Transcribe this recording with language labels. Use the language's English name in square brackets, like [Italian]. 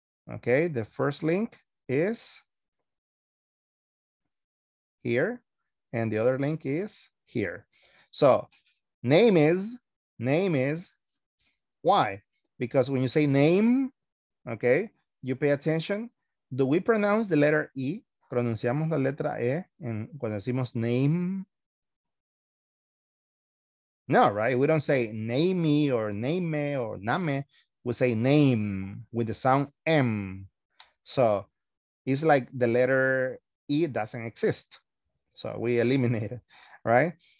[English] Okay, the first link is here, and the other link is here. So name is, why? Because when you say name, okay, you pay attention. Do we pronounce the letter E? [Spanish] ¿Pronunciamos la letra E en, cuando decimos name? [English] No, right? We don't say name me or name me or name. We say name with the sound M. So is like the letter E doesn't exist. So we eliminate it, right?